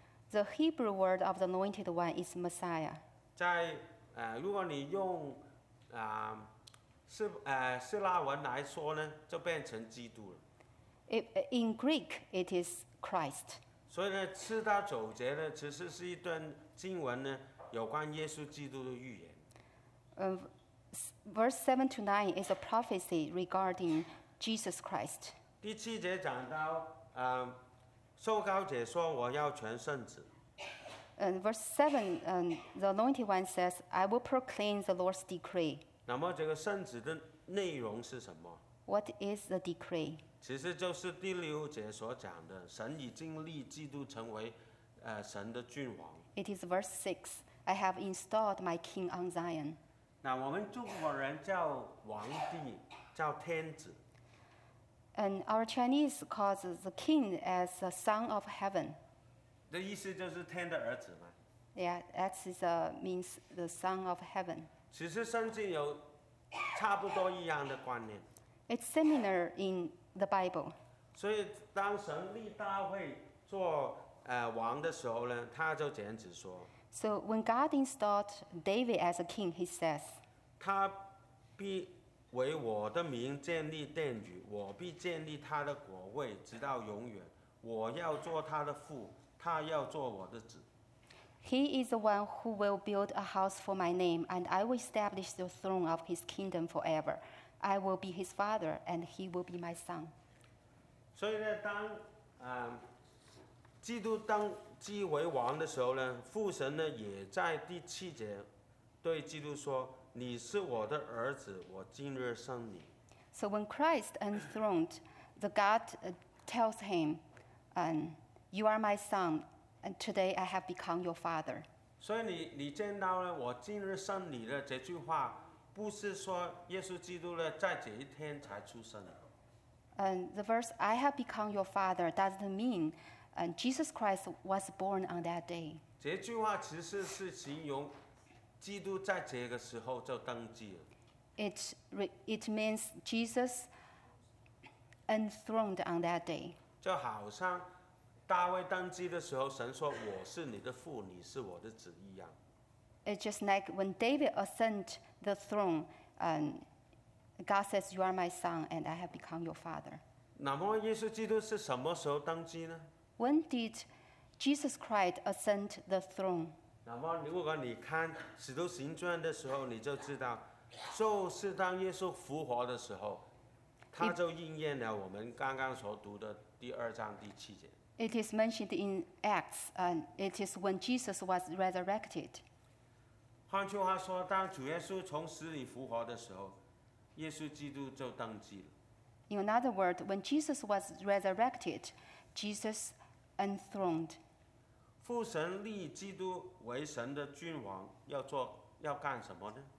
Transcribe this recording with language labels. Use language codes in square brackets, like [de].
[en] The Hebrew word of the anointed one is Messiah. [zh] 在如果你用希腊文来说呢，就变成基督了。 [en] In Greek, it is Christ. [zh] 所以呢，七到九节呢，其实是一段经文呢，有关耶稣基督的预言。 [en] Verse 7-9 is a prophecy regarding Jesus Christ. [zh] 第七节讲到，受膏者说，我要全圣子。 [en] Verse 7, the anointed one says, I will proclaim the Lord's decree. [zh] 那么这个圣子的内容是什么？ [en] What is the decree? [zh] 其实就是第六节所讲的，神已经立基督成为神的君王。 [en] It is verse 6. I have installed my king on Zion. [zh] 那我们中国人叫皇帝，叫天子。 [en] And our Chinese calls the king as the son of heaven. [zh] 这意思就是天的儿子吗？ [en] Yeah, that means the son of heaven. [zh] 其实圣经有差不多一样的观念。 [en] It's similar in the Bible. [zh] 所以当神立大卫做王的时候呢，他就这样子说。 [en] So when God installed David as a king, he says, [zh] 他必为我的名建立殿宇，我必建立他的国位，直到永远。我要做他的父，他要做我的子。 [en] He is the one who will build a house for my name, and I will establish the throne of his kingdom forever. I will be his father, and he will be my son. [zh] 所以呢，当基督登基为王的时候呢，父神呢也在第七节对基督说：“你是我的儿子，我今日生你。” [en] So when Christ enthroned, the God tells him, "You are my son, and today I have become your father." [zh] 所以你见到呢，我今日生你的这句话。不是说耶稣基督在这一天才出生。 [en] The verse, I have become your father, doesn't mean And Jesus Christ was born on that day. [zh] 这句话其实是形容基督在这个时候就登基了。 [en] It means Jesus enthroned on that day. [zh] 就好像大卫登基的时候，神说我是你的父，你是我的子一样。 [en] It's just like when David ascended the throne, God says, "You are my son, and I have become your father." [zh] 那么耶稣基督是什么时候登基呢？ [en] When did Jesus Christ ascend the throne? [zh] 那么如果你看《使徒行传》的时候，你就知道，就是当耶稣复活的时候，他就应验了我们刚刚所读的第二章第七节。 [en] It is mentioned in Acts, and it is when Jesus was resurrected. [zh] 换句话说，当主耶稣从死里复活的时候，耶稣基督就登基了。 [en] In other words, when Jesus was resurrected. Jesus enthroned. [zh] 父神立基督为神的君王，要做，要干什么呢？